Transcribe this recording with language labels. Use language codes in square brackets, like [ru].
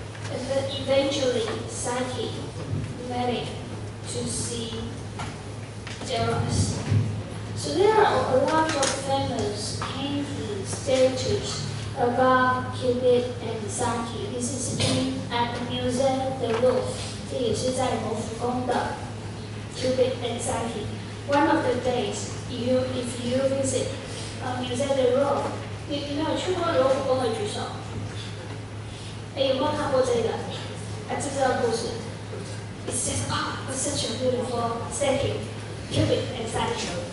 [en] And then eventually Psyche managed to see Eros. So there are a lot of famous paintings, statues about Cupid and Psyche. This is at the Museum of the Louvre. [zh] 这也是在蒙福宫的 Cupid and Psyche. [en] One of the days, if you visit Museum of the Louvre, [zh] 你没有去过罗浮宫的举手？有没有看过这个？还知道故事？ [en] It says, oh, it's such a beautiful statue, Cupid and Psyche.